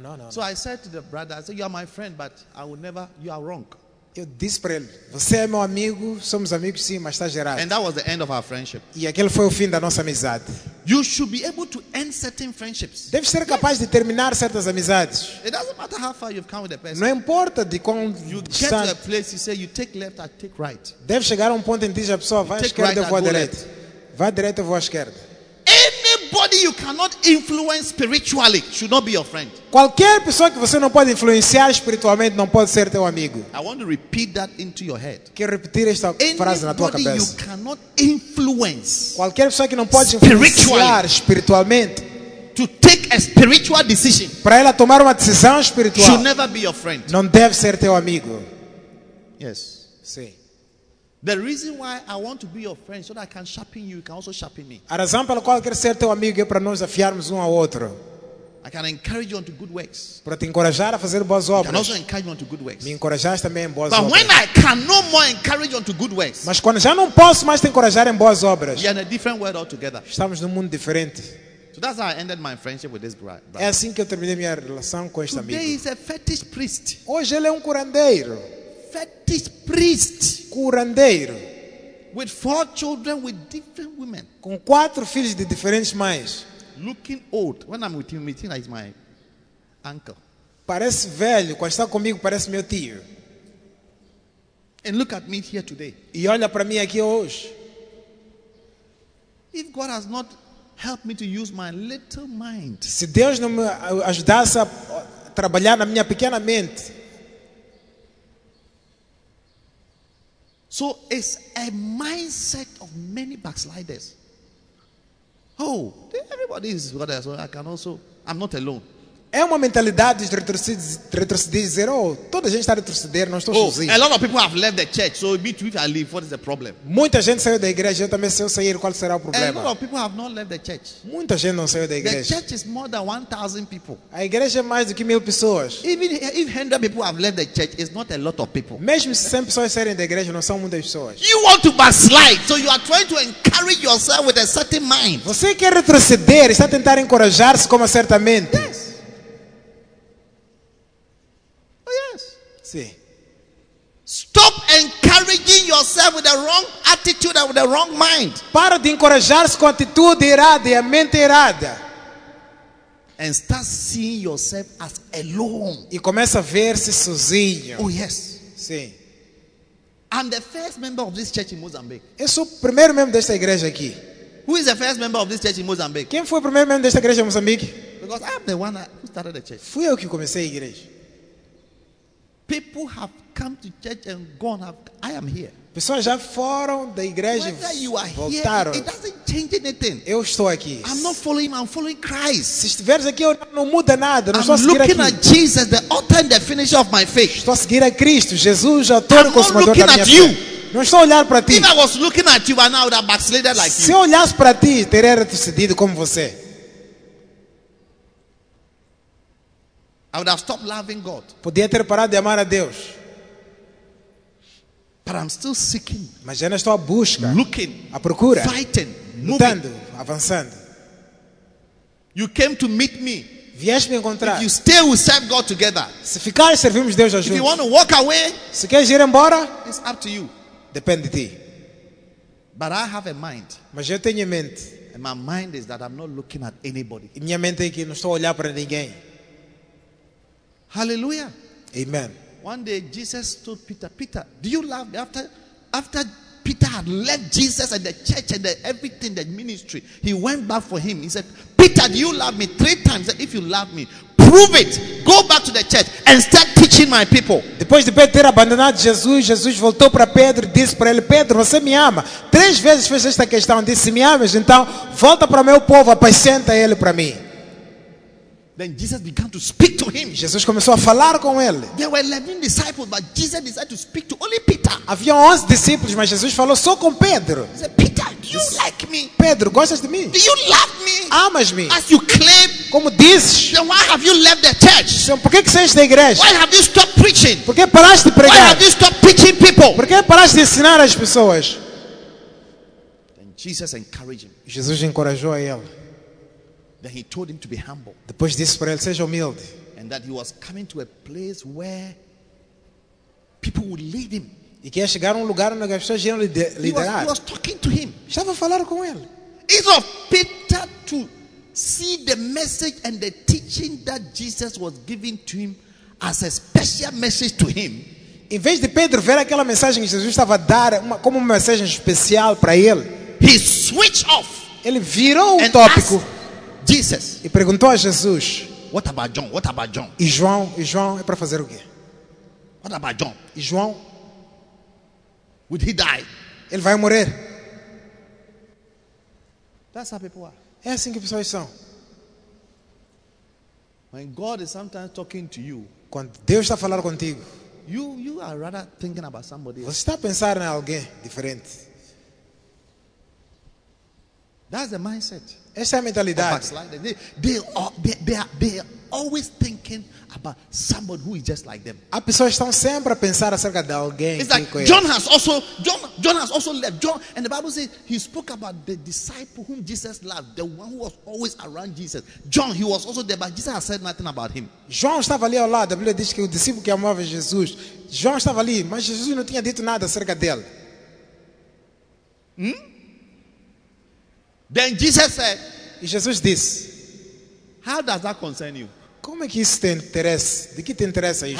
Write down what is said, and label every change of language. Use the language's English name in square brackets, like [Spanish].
[English] So I said to the brother, I said, you are my friend, but I will never, you are wrong. [Portuguese] Eu disse para ele, você é meu amigo, somos amigos sim, mas está gerado. [English] And that was the end of our friendship. [Portuguese] E aquele foi o fim da nossa amizade. [English] You should be able to end certain friendships. [Portuguese] Deve ser capaz de terminar certas amizades. [English] It doesn't matter how far you've come with the person. [Portuguese] Não importa de quão [English] you get to a place, you say you take left, I take right. [Portuguese] Deve chegar a um ponto em que diz a pessoa, vai à esquerda, eu vou à direita. Vai à direita, eu vou à esquerda. [English] Anybody you cannot influence spiritually should not be your friend. [Portuguese] Qualquer pessoa que você não pode influenciar espiritualmente não pode ser teu amigo. [English] I want to repeat that into your head. [Portuguese] Quero repetir esta frase na tua cabeça. [English] Anybody you cannot influence. [Portuguese] Qualquer pessoa que não pode influenciar espiritualmente [English] to take a spiritual decision. [Portuguese] Para ela tomar uma decisão espiritual. [English] Should never be your friend. [Portuguese] Não deve ser teu amigo. [English] Yes. [Portuguese] Sim. [English] The reason why I want to be your friend so that I can sharpen you, you can also sharpen me. [Portuguese] A razão pela qual eu quero ser teu amigo é para nós afiarmos um ao outro. [English] I can encourage you onto good works. [Portuguese] Para te encorajar a fazer boas obras. [English] I can also encourage you onto good works. [Portuguese] Me encorajar também em boas [English] but [Portuguese] obras. [English] But when I can no more encourage you onto good works. [Portuguese] Mas quando já não posso mais te encorajar em boas obras. [English] We are in a different world altogether. [Portuguese] Estamos num mundo diferente. [English] So that's how I ended my friendship with this brother. [Portuguese] É assim que eu terminei minha relação com este [English] today [Portuguese] amigo. [English] Today he's a fetish priest. [Portuguese] Hoje ele é curandeiro. [English] Fetish priest, [Portuguese] curandeiro, [English] with four children with different women, [Portuguese] com quatro filhos de diferentes mães, [English] looking old. When I'm with him, he thinks he's my uncle. [Portuguese] Parece velho quando está comigo, parece meu tio. [English] And look at me here today. [Portuguese] E olha para mim aqui hoje. [English] If God has not helped me to use my little mind, [Portuguese] se Deus não me ajudasse a trabalhar na minha pequena mente. [English] So it's a mindset of many backsliders. Oh, everybody is what I can also. I'm not alone. [Portuguese] É uma mentalidade de retroceder, dizer, oh, toda a gente está retrocedendo, não estou sozinho. [English] A lot of people have left the church, so me too, if I leave, what is the problem? [Portuguese] Muita gente saiu da igreja, eu também, se eu sair, qual será o problema? [English] A lot of people have not left the church. [Portuguese] Muita gente não saiu da igreja. [English] The church is more than 1,000 people. [Portuguese] A igreja é mais do que 1,000 pessoas. [English] Even if 100 people have left the church, it's not a lot of people. [Portuguese] Mesmo se 100 pessoas saírem da igreja, não são muitas pessoas. [English] You want to backslide, so you are trying to encourage yourself with a certain mind. [Portuguese] Você quer retroceder, está tentando encorajar-se com uma certa mente. [English] Yes. Stop encouraging yourself with the wrong attitude and with the wrong mind. [Portuguese] Para de encorajar-se com a atitude errada e a mente errada. [English] And start seeing yourself as alone. [Portuguese] E começa a ver-se sozinho. [English] Oh yes. [Portuguese] Sim. [English] I'm the first member of this church in Mozambique. [Portuguese] Eu sou o primeiro membro desta igreja aqui. [English] Who is the first member of this church in Mozambique? [Portuguese] Quem foi o primeiro membro desta igreja em Moçambique? [English] Because I'm the one who started the church. [Portuguese] Fui eu que comecei a igreja. [English] People have come to church and gone. I am here. [Portuguese] Pessoas já foram da igreja, [English] whether you are [Portuguese] voltaram. [English] Here, it doesn't change anything. [Portuguese] Eu estou aqui. [English] I'm not following. I'm following Christ. [Portuguese] Se estiveres aqui, eu não muda nada. Não [English] I'm [Portuguese] estou a seguir [English] looking [Portuguese] aqui. [English] At Jesus, the author and the finisher of my faith. [Portuguese] Estou a seguir a Cristo, Jesus, o autor e consumador da minha fé. [English] You. [Portuguese] Não estou a olhar para ti. [English] If I was looking at you, I would have backslided like [Portuguese] se [English] you. [Portuguese] Se olhasse para ti, teria retrocedido como você. [English] I would have stopped loving God. [Portuguese] Podia ter parado de amar a Deus. [English] But I'm still seeking. [Portuguese] Mas ainda estou à busca. [English] Looking. [Portuguese] À procura. [English] Fighting. [Portuguese] Lutando. [English] Moving. [Portuguese] Avançando. [English] You came to meet me. [Portuguese] Vieste me encontrar. [English] If you stay, we serve God together. [Portuguese] Se ficar, servimos Deus juntos. [English] If you want to walk away, [Portuguese] se queres ir embora, [English] it's up to you. [Portuguese] Depende de ti. [English] But I have a mind. [Portuguese] Mas eu tenho mente. [English] And my mind is that I'm not looking at anybody. [Portuguese] E minha mente é que não estou a olhar para ninguém. [English] Hallelujah. Amen. One day Jesus told Peter, Peter, do you love me? After Peter had left Jesus and the church and everything, the ministry, he went back for him. He said, Peter, do you love me? 3 times. He said, if you love me, prove it. Go back to the church and start teaching my people. [Portuguese] Depois de Pedro ter abandonado Jesus, Jesus voltou para Pedro e disse para ele, Pedro, você me ama? 3 vezes fez esta questão. Disse, me amas? Então, volta para meu povo, apacenta ele para mim. [English] Then Jesus began to speak to him. [Portuguese] Jesus começou a falar com ele. [English] There were 11 disciples, but Jesus decided to speak to only Peter. [Portuguese] Havia 11 discípulos, mas Jesus falou só com Pedro. [English] He said, Peter, do you like me? [Portuguese] Pedro, gostas de mim? [English] Do you love me? [Portuguese] Amas-me? [English] As you claim? [Portuguese] Como dizes? [English] Then why have you left the church? [Portuguese] Então, por que que saíste da igreja? [English] Why have you stopped preaching? [Portuguese] Por que paraste de pregar? [English] Why have you stopped preaching people? [Portuguese] Por que paraste de ensinar as pessoas? [English] Then Jesus encouraged him. [Portuguese] Jesus encorajou a ele. [English] Then he told him to be humble. [Portuguese] Depois disse para ele, seja humilde. [English] And that he was coming to a place where people would lead him. [Portuguese] E que ia chegar a lugar onde as pessoas iam liderar. [English] He was talking to him. [Portuguese] Estava a falar com ele. [English] It's of Peter to see the message and the teaching that Jesus was giving to him as a special message to him. [Portuguese] Em vez de Pedro ver aquela mensagem que Jesus estava a dar como uma mensagem especial para ele, [English] he switched off. [Portuguese] Ele virou o tópico. [English] Jesus. [Portuguese] E perguntou a Jesus. [English] What about John? What about John? [Portuguese] E João? E João é para fazer o quê? [English] What about John? [Portuguese] E João? [English] Would he die? [Portuguese] Ele vai morrer. [English] That's how people are. [Portuguese] É assim que pessoas são. [English] When God is sometimes talking to you, [Portuguese] quando Deus está a falar contigo, [English] you are rather thinking about somebody else. [Portuguese] Você está a pensar em alguém diferente. [English] That's the mindset. [Portuguese] Essa é a mentalidade. [English] They are always thinking about somebody who is just like them. [Portuguese] As pessoas estão sempre a pensar acerca de alguém. [English] It's like John has also left. John, and the Bible says he spoke about the disciple whom Jesus loved, the one who was always around Jesus. John, he was also there, but Jesus has said nothing about him. [Portuguese] João estava ali ao lado. A Bíblia diz que o discípulo que amava Jesus, João estava ali, mas Jesus não tinha dito nada acerca dele. [English] Then Jesus said, [Portuguese] e Jesus disse, [English] how does that concern you? [Portuguese] Como é que isso te interessa? De que te interessa isso?